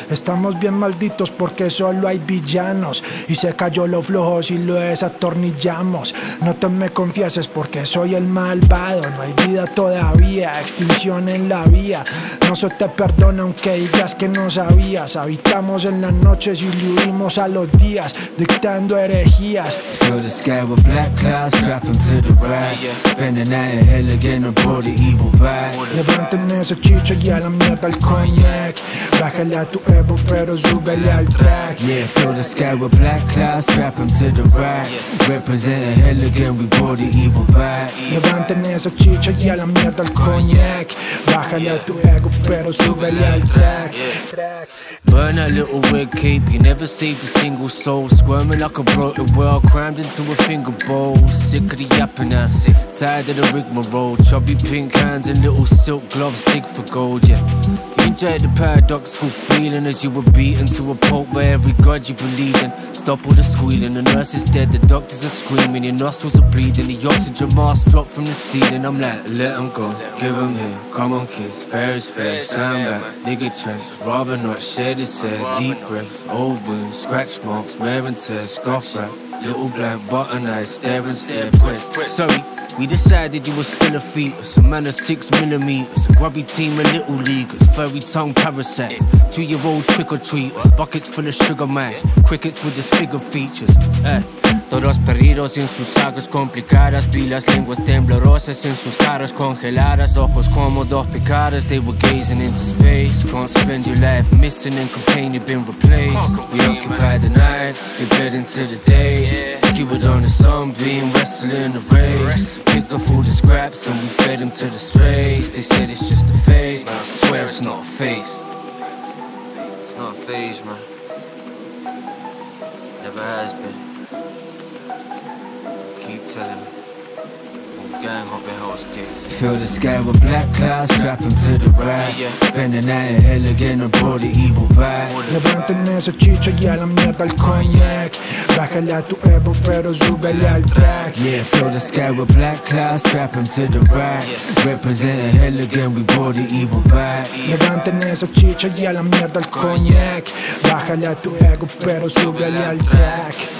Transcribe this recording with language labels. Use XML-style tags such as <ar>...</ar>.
<es>Estamos bien malditos porque solo hay villanos. Y se cayó lo flojo si lo desatornillamos. No te me confieses porque soy el malvado. No hay vida todavía, extinción en la vía. No se te perdona aunque digas que no sabías. Habitamos en las noches y le huimos a los días, dictando herejías.</es> <en>Through the sky with black clouds, strapping to the rack. Spend the night in hell again, I brought the evil back.</en> <es>Levanten ese chicho y a la mierda el cognac. Bájale a tu ego, pero súbele al track.</es> <en>Yeah, through the sky with black clouds, strapping to the rack. Represent hell again, we brought the evil back.</en> <es>Levanten ese chicho y a la mierda el cognac. Bájale a tu ego, pero súbele al track.</es> <en>Burn a little red cape, you never saved a single soul. Squirming like a broken world, crammed into a finger bowl. Sick of the yapping ass, tired of the rigmarole. Chubby pink hands and little silk gloves, dig for gold, yeah. You enjoyed the paradoxical feeling as you were beaten to a pulp by every god you believed in. Stop all the squealing, the nurse is dead, the doctors are screaming. Your nostrils are bleeding, the oxygen mask dropped from the ceiling. I'm like, let them go, give them here, come on kids. Fair is fair, stand back, dig a trench. Rather not share this air, deep breaths. Old wounds, scratch marks, wear and tear. Scoff rats, little black button eyes, stare and stare, press. Sorry, we decided you were still a fetus. A man of 6mm, a grubby team of little leaguers. Furry tongue parasites, 2-year-old trick-or-treaters. Buckets full of sugar mice, crickets with disfigured features.</en> <es>Todos perdidos en sus sagas complicadas. Vi las lenguas temblorosas en sus caras congeladas. Ojos como dos picadas,</es> <en>they were gazing into space. Can't spend your life missing and complain you've been replaced. We occupy the nights, they bled into the day. Skewered on the sunbeam, wrestling the race. Picked off all the scraps and we fed them to the strays. They said it's just a phase, but I swear it's not a phase. It's not a phase, man. Never has been. Keep telling me. Gang hopping house kids. Fill the sky with black clouds, strapping to the rack. Spend the night in hell again, I brought the evil back.</en> <es>Levanten ese chicho y a la mierda el cognac. Bájale a tu ego, pero súbele al track.</es> <en>Yeah, fill the sky with black clouds, strap him to the rack. Represent hell again, we brought the evil back.</en> <es>Levanten esa chicha y a la mierda el cognac. Bájale a tu ego, pero súbele al track.</es>